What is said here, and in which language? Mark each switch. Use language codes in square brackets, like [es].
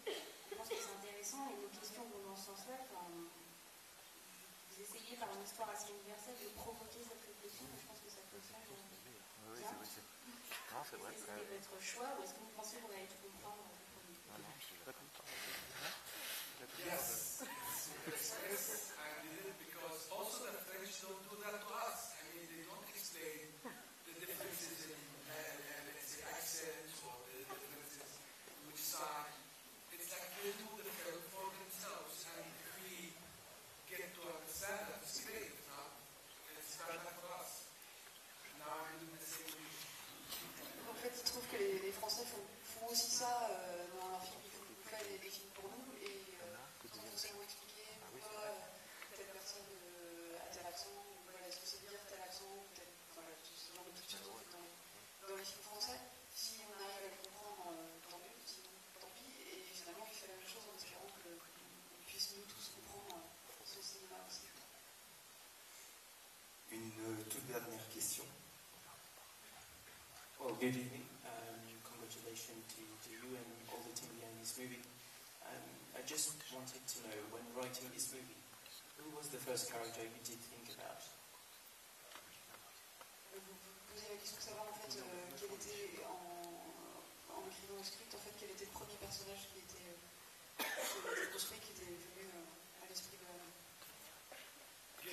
[fr] Je pense que c'est intéressant et nos questions vont dans ce sens-là. Vous essayez par une histoire assez universelle de provoquer cette réflexion, je pense que ça fonctionne. Oui, c'est possible. Non, c'est vrai. C'était votre choix ou est-ce que vous pensez qu'on allait tout comprendre? Non, je ne suis pas content. [en] Yes, yes, I did it because also the French don't do that to us. I mean, they don't explain the differences in the accent or the differences in which side. It's like they do the film for themselves and we get to understand that it's great, not it's better for us. Now I'm doing the same thing. [fr] En fait, il trouve que les Français font aussi ça dans leur film. Ils font pas des films pour nous. Et quand nous allons expliquer pourquoi telle personne a tel accent, ou voilà, est-ce que ça veut dire tel accent, ou tel, voilà, ce genre de trucs dans les films français, si on arrive à le comprendre, tant mieux, sinon tant pis. Et finalement, il fait la même chose en espérant qu'on puisse nous tous comprendre son cinéma aussi. Une toute dernière question. [en] Well, good evening. Congratulations to you and all the team behind this movie. I just wanted to know, when writing this movie, who was the first character you did think about? [fr] Vous avez la question de savoir en fait quel était en écrivant le script, en fait quel était le premier personnage qui était construit, qui était venu à l'esprit de.